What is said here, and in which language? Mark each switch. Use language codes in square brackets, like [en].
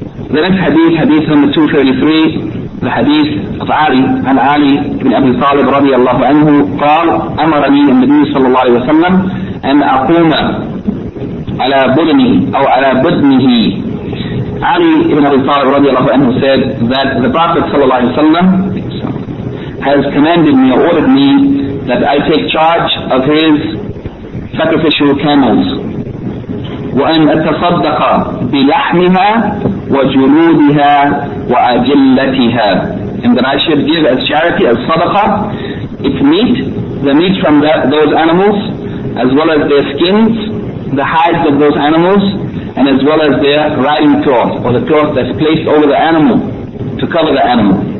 [en] The next hadith, hadith number 233, the hadith of Ali, and Ali ibn Abi Talib radiallahu anhu, [ar] قال أمرني النبي صلى الله عليه وسلم أن أقوم على بدنه [en] أو على بدنه. Ali ibn Abi Talib radiallahu anhu said that the Prophet [ar] صلى الله عليه وسلم [en] has commanded me, or ordered me, that I take charge of his sacrificial camels. [ar] وأن أتصدق بلحمها وجلودها وأجلتها. [en] And that I should give as charity, as sadaqah, its meat, the meat from those animals, as well as their skins, the hides of those animals, and as well as their riding cloth, or the cloth that's placed over the animal to cover the animal.